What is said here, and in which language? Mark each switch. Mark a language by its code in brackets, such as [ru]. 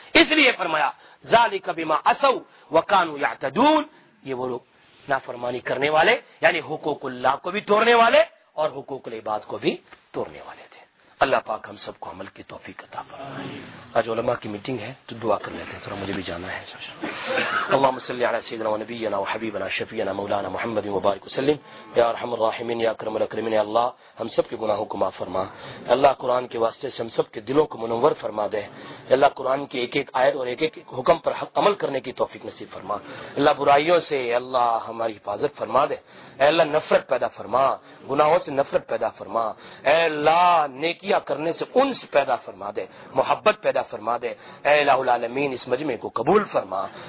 [ur] اس لیے فرمایا [ar] ذالک بما عصوا وکانوا یعتدون، [ur] یہ وہ لوگ نافرمانی کرنے والے یعنی حقوق اللہ کو بھی توڑنے والے اور حقوق العباد کو بھی توڑنے والے تھے. اللہ پاک ہم سب کو عمل کی توفیق عطا فرمائے. آج علماء کی میٹنگ ہے تو دعا کر لیتے ہیں، تھوڑا مجھے بھی جانا ہے. [ar] اللهم صل على سيدنا ونبينا وحبيبنا شفينا مولانا محمد وبارك وسلم، يا ارحم الراحمين يا اكرم الاكرمين. [ur] يا الله ہم سب کے گناہوں کو معاف فرما، اللہ قرآن کے واسطے سے ہم سب کے دلوں کو منور فرما دے، اللہ قرآن کی ایک ایک آیت اور ایک ایک حکم پر عمل کرنے کی توفیق نصیب فرما، اللہ برائیوں سے اللہ ہماری حفاظت فرما دے، اے اللہ نفرت پیدا فرما، گناہوں سے نفرت پیدا فرما، اے اللہ نیکیاں کرنے سے انس پیدا فرما دے، محبت پیدا فرما دے، اے الہ العالمین اس مجمع کو قبول فرما،